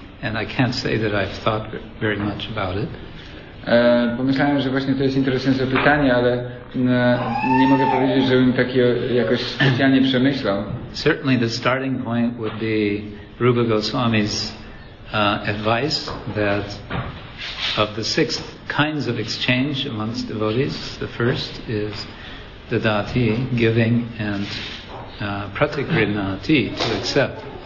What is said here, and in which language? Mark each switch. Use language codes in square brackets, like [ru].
[en] And I can't say that I've thought very much about it. [pl] Pomyślałem, że właśnie to jest interesujące pytanie, ale nie mogę powiedzieć, żebym takie jakoś specjalnie przemyślał. [en] certainly the starting point would be Rupa Goswami's advice that of the six kinds of exchange amongst devotees, the first is dadati, giving, and pratigrinati, to accept.